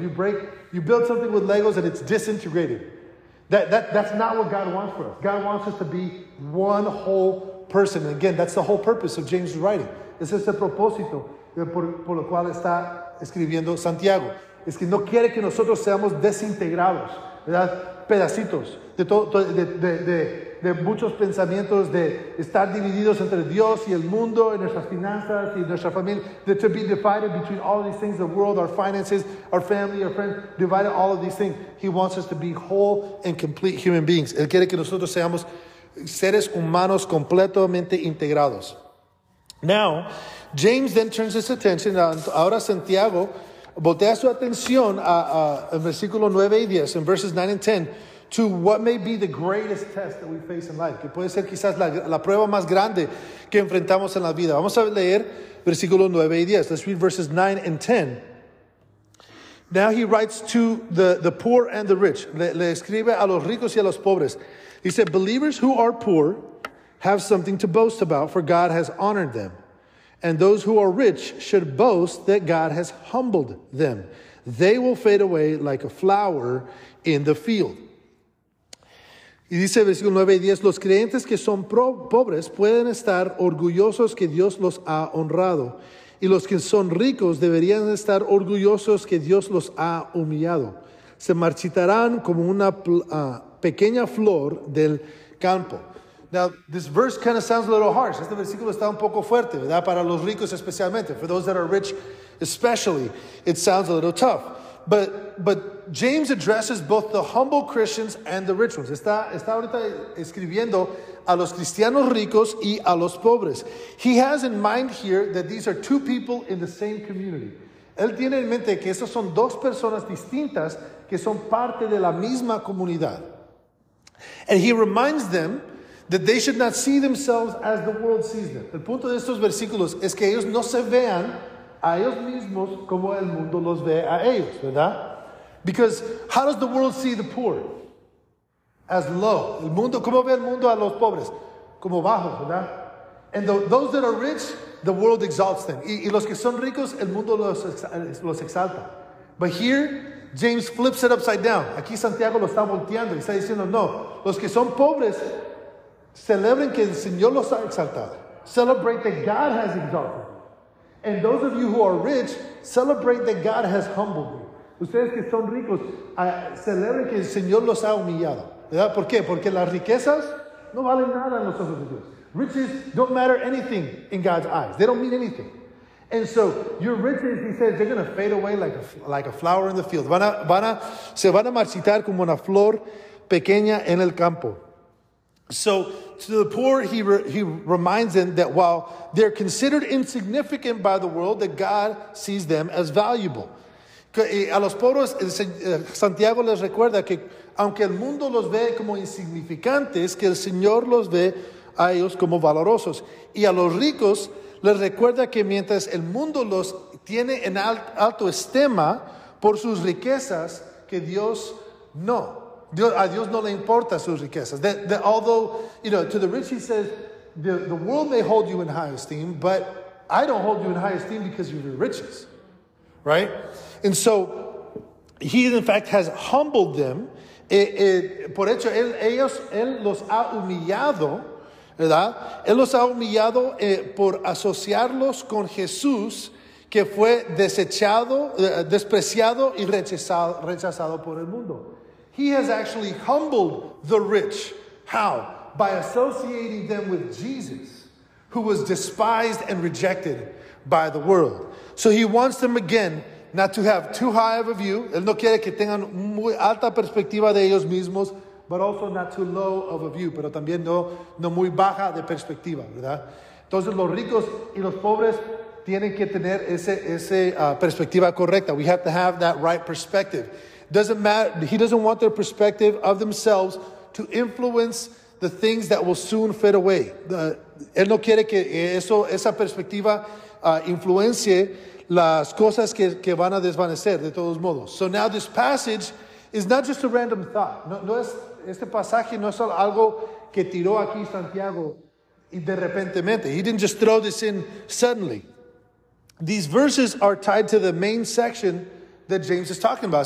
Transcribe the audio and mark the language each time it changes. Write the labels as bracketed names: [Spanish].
[English] You build something with Legos and it's disintegrated. That's not what God wants for us. God wants us to be one whole person. And again, that's the whole purpose of James' writing. [Spanish] Ese es el propósito por lo cual está escribiendo Santiago. Es que no quiere que nosotros seamos desintegrados, ¿verdad? Pedacitos de muchos pensamientos, de estar divididos entre Dios y el mundo, y nuestras finanzas y nuestra familia. [English] To be divided between all these things, the world, our finances, our family, our friends, divided, all of these things. He wants us to be whole and complete human beings. [Spanish] Él quiere que nosotros seamos seres humanos completamente integrados. [English] Now, James then turns his attention, [Spanish] ahora Santiago voltea su atención en versículo 9 y 10, en [English] verses 9 and 10, to what may be the greatest test that we face in life, [Spanish] que puede ser quizás la prueba más grande que enfrentamos en la vida. Vamos a leer versículo 9 y 10. [English] Let's read verses 9 and 10. Now he writes to the poor and the rich. [Spanish] Le escribe a los ricos y a los pobres. [English] He said, believers who are poor have something to boast about, for God has honored them. And those who are rich should boast that God has humbled them. They will fade away like a flower in the field. [Spanish] Y dice versículo 9 y 10, los creyentes que son pobres pueden estar orgullosos que Dios los ha honrado. Y los que son ricos deberían estar orgullosos que Dios los ha humillado. Se marchitarán como una pequeña flor del campo. [English] Now, this verse kind of sounds a little harsh. [Spanish] Este versículo está un poco fuerte, ¿verdad? Para los ricos especialmente. [English] For those that are rich especially, it sounds a little tough. But James addresses both the humble Christians and the rich ones. [Spanish] Está ahorita escribiendo a los cristianos ricos y a los pobres. [English] He has in mind here that these are two people in the same community. [Spanish] Él tiene en mente que estas son dos personas distintas que son parte de la misma comunidad. [English] And he reminds them that they should not see themselves as the world sees them. [Spanish] El punto de estos versículos es que ellos no se vean a ellos mismos como el mundo los ve a ellos, ¿verdad? [English] Because how does the world see the poor? As low. [Spanish] El mundo, ¿cómo ve el mundo a los pobres? Como bajos, ¿verdad? [English] And those that are rich, the world exalts them. [Spanish] Y los que son ricos, el mundo los exalta. [English] But here, James flips it upside down. [Spanish] Aquí Santiago lo está volteando y está diciendo, no, los que son pobres, celebren que el Señor los ha exaltado. [English] Celebrate that God has exalted you. And those of you who are rich, celebrate that God has humbled you. [Spanish] Ustedes que son ricos, celebren que el Señor los ha humillado. ¿Verdad? ¿Por qué? Porque las riquezas no valen nada en los ojos de Dios. [English] Riches don't matter anything in God's eyes. They don't mean anything. And so your riches, he says, they're going to fade away like a flower in the field. [Spanish] Se van a marchitar como una flor pequeña en el campo. [English] So to the poor, he reminds them that while they're considered insignificant by the world, that God sees them as valuable. [Spanish] A los pobres, Santiago les recuerda que aunque el mundo los ve como insignificantes, que el Señor los ve a ellos como valorosos. Y a los ricos les recuerda que mientras el mundo los tiene en alto estima por sus riquezas, que Dios no. A Dios no le importa sus riquezas. [English] Although, you know, to the rich he says, the world may hold you in high esteem, but I don't hold you in high esteem because of your riches, right? And so, he in fact has humbled them. [Spanish] Por hecho, él los ha humillado, ¿verdad? Él los ha humillado por asociarlos con Jesús, que fue desechado, despreciado y rechazado por el mundo. [English] He has actually humbled the rich. How? By associating them with Jesus, who was despised and rejected by the world. So he wants them again not to have too high of a view. [Spanish] Él no quiere que tengan muy alta perspectiva de ellos mismos, [English] but also not too low of a view, [Spanish] pero también no muy baja de perspectiva, ¿verdad? Entonces los ricos y los pobres tienen que tener ese perspectiva correcta. [English] We have to have that right perspective. Doesn't matter, he doesn't want their perspective of themselves to influence the things that will soon fade away. [Spanish] Él no quiere que esa perspectiva influencie las cosas que van a desvanecer de todos modos. [English] So now this passage is not just a random thought. [Spanish] Este pasaje no es algo que tiró aquí Santiago y de repentemente. [English] He didn't just throw this in suddenly. These verses are tied to the main section that James is talking about.